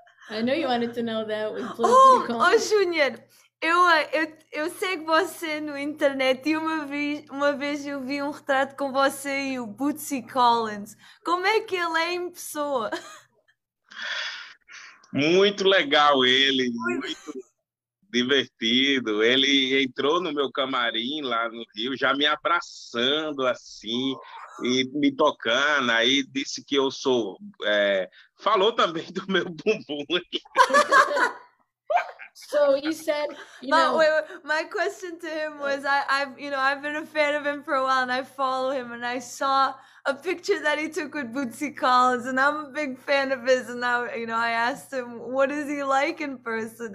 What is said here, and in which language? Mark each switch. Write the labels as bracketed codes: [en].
[en] I know you wanted to know that. [pt] Junior, eu segui você no internet e uma vez eu vi um retrato com você e o Bootsy Collins. Como é que ele é em pessoa? Muito legal ele, muito divertido. Ele entrou no meu camarim lá no Rio, já me abraçando assim e me tocando. Aí disse que eu sou... falou também do meu bumbum. [en] So he said, my question to him was, I've been a fan of him for a while and I follow him and I saw a picture that he took with Bootsy Collins and I'm a big fan of his and I asked him, what is he like in person?